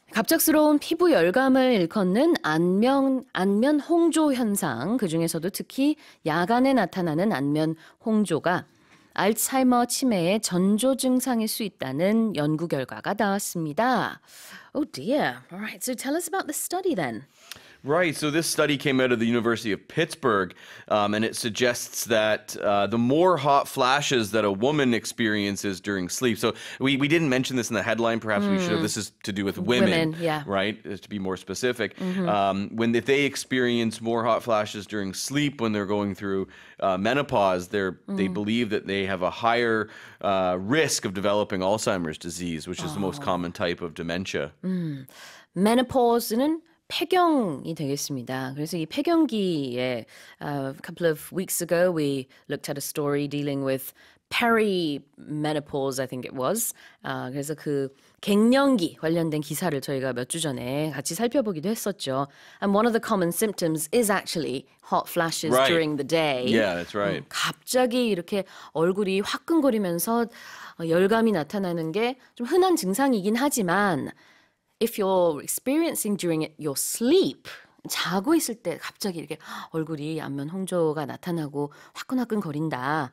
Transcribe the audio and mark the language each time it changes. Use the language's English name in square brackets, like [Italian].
[Korean] 갑작스러운 피부 열감을 일컫는 안면홍조 현상, 그중에서도 특히 야간에 나타나는 안면홍조가 알츠하이머 치매의 전조 증상일 수 있다는 연구 결과가 나왔습니다. [English] Oh dear. All right. So tell us about the study then. Right. So this study came out of the University of Pittsburgh, and it suggests that the more hot flashes that a woman experiences during sleep. So we didn't mention this in the headline. Perhaps we should have. This is to do with women. Yeah. Right. To be more specific, if they experience more hot flashes during sleep when they're going through menopause, they believe that they have a higher risk of developing Alzheimer's disease, which is the most common type of dementia. [Korean] Menopause는 폐경이 되겠습니다. 그래서 이 폐경기에 [English] a couple of weeks ago we looked at a story dealing with perimenopause, I think it was. [Korean] 그래서 그 갱년기 관련된 기사를 저희가 몇 주 전에 같이 살펴보기도 했었죠. [English] And one of the common symptoms is actually hot flashes right. during the day. Yeah, that's right. [Korean] 갑자기 이렇게 얼굴이 화끈거리면서 열감이 나타나는 게 좀 흔한 증상이긴 하지만 [English] If you're experiencing during your sleep, [Korean] 자고 있을 때 갑자기 이렇게 얼굴이 안면홍조가 나타나고 화끈화끈 거린다.